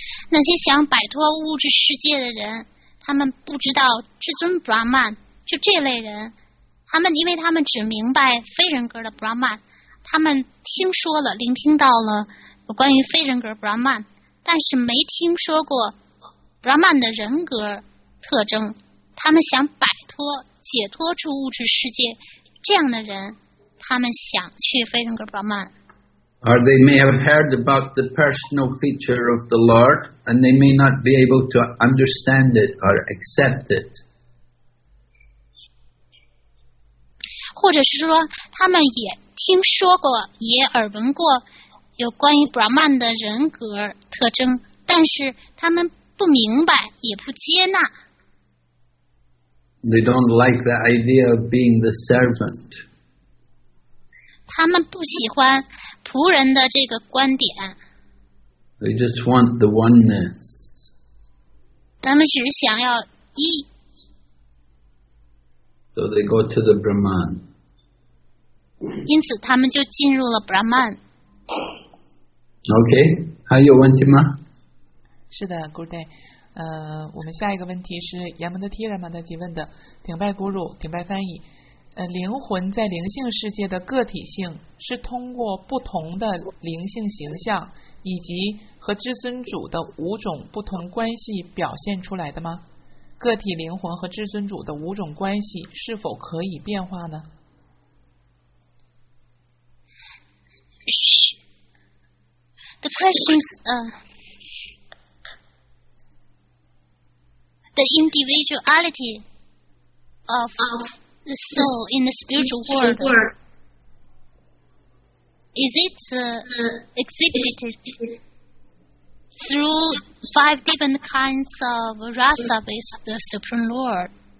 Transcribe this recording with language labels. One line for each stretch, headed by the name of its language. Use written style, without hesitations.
Chinese: 那些想摆脱物质世界的人他们不知道至尊 Brahman 就这类人他们因为他们只明白非人格的 Brahman 他们听说了聆听到了关于非人格 Brahman 但是没听说过 Brahman 的人格特征他们想摆脱解脱出物质世界这样的人他们想去非人格 Brahman
English: Or they may have heard about the personal feature of the Lord, and they may not be able to understand it or accept it.
Chinese: 或者是说，他们也听说过，也耳闻过有关于 Brahman 的人格特征，但是他们不明白，也不接纳。
English: They don't like the idea of being the servant.
Chinese: 他们不喜欢仆人的这个观点。
English: They just want the oneness.
Chinese: 他们只想要一。
English: So they go to the Brahman.
Chinese: 因此他们就进入了 Brahman. Okay, 还有问题吗？是的 ，Guruji。我们下一个问题是杨门的 Tira 玛达吉问的，顶拜 Guru， 顶拜翻译。灵魂在灵性世界的个体性是通过不同的灵性形象以及和至尊主的五种不同关系表现出来的吗？个体灵魂和至尊主的五种关系是否可以变化呢？
English: 是 The question is, the individuality of the soul in the spiritual world is it exhibited through five different kinds of rasa with the Supreme Lord